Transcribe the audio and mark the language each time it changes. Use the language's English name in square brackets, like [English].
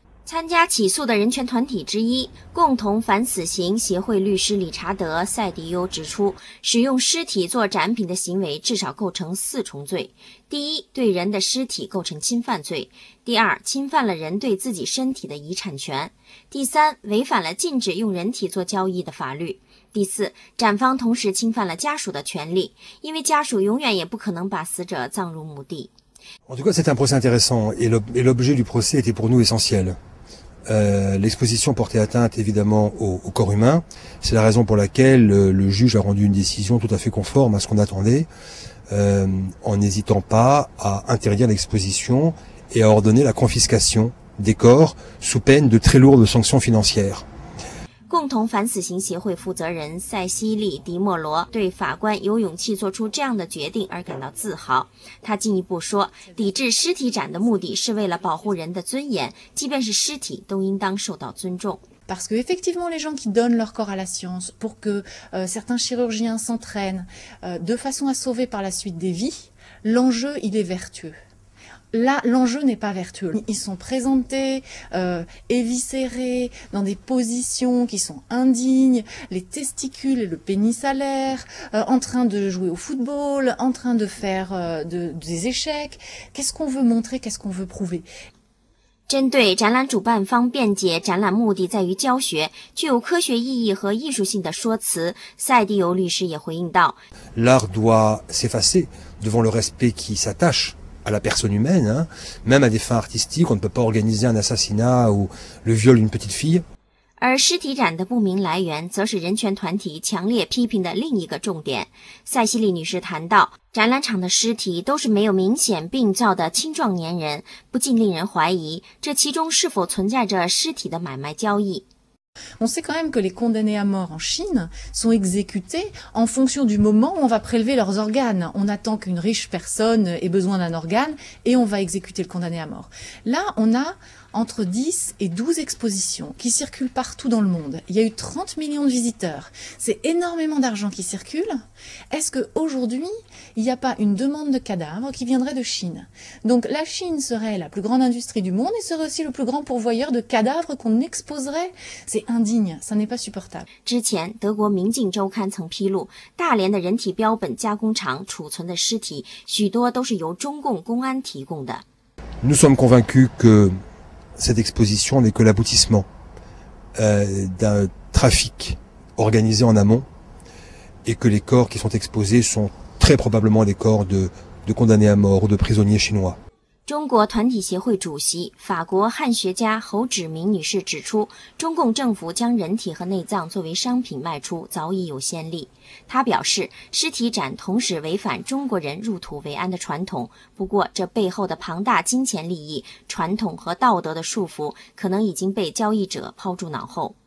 [Chinese] 参加起诉的人权团体之一共同反死刑协会律师理查德·塞迪优指出，使用尸体做展品的行为至少构成四重罪：第一，对人的尸体构成侵犯罪；第二，侵犯了人对自己身体的遗产权；第三，违反了禁止用人体做交易的法律；第四，展方同时侵犯了家属的权利，因为家属永远也不可能把死者葬入墓地。 [French] En tout cas, c'est un procès intéressant et l'objet du procès était pour nous essentiel. L'exposition portait atteinte évidemment au corps humain. C'est la raison pour laquelle le juge a rendu une décision tout à fait conforme à ce qu'on attendait, en n'hésitant pas à interdire l'exposition et à ordonner la confiscation des corps sous peine de très lourdes sanctions financières. [Chinese] 共同反死刑协会负责人塞西利·迪莫罗对法官有勇气做出这样的决定而感到自豪。他进一步说，抵制尸体展的目的是为了保护人的尊严，即便是尸体都应当受到尊重。 [French] Parce que effectivement, les gens qui donnent leur corps à la science pour que certains chirurgiens s'entraînent de façon à sauver par la suite des vies, l'enjeu il est vertueux. Là, l'enjeu n'est pas vertueux. Ils sont présentés, éviscérés, dans des positions qui sont indignes, les testicules et le pénis à l'air, en train de jouer au football, en train de faire, des échecs. Qu'est-ce qu'on veut montrer? Qu'est-ce qu'on veut prouver? [Chinese] 针对展览主办方辩解展览目的在于教学，具有科学意义和艺术性的说辞，塞迪尤律师也回应道： [French] L'art doit s'effacer devant le respect qui s'attache. À la personne humaine, hein. Même à des fins artistiques, on ne peut pas organiser un assassinat ou le viol d'une petite fille. [Chinese] 而尸体展的不明来源，则是人权团体强烈批评的另一个重点。塞西利女士谈到，展览场的尸体都是没有明显病灶的青壮年人，不禁令人怀疑这其中是否存在着尸体的买卖交易。 [French] On sait quand même que les condamnés à mort en Chine sont exécutés en fonction du moment où on va prélever leurs organes. On attend qu'une riche personne ait besoin d'un organe et on va exécuter le condamné à mort. Là, on a entre 10 et 12 expositions qui circulent partout dans le monde. Il y a eu 30 millions de visiteurs. C'est énormément d'argent qui circule. Est-ce qu'aujourd'hui, il n'y a pas une demande de cadavres qui viendrait de Chine? Donc la Chine serait la plus grande industrie du monde et serait aussi le plus grand pourvoyeur de cadavres qu'on exposerait. C'est indigne, ça n'est pas supportable. [Chinese] 之前德国明镜周刊曾披露，大连的人体标本加工厂储存的尸体许多都是由中共公安提供的。 [French] Nous sommes convaincus que cette exposition n'est que l'aboutissement d'un trafic organisé en amont et que les corps qui sont exposés sont très probablement des corps de condamnés à mort ou de prisonniers chinois. [Chinese] 中国团体协会主席、法国汉学家侯芷明女士指出，中共政府将人体和内脏作为商品卖出早已有先例。她表示，尸体展同时违反中国人入土为安的传统，不过这背后的庞大金钱利益、传统和道德的束缚可能已经被交易者抛诸脑后。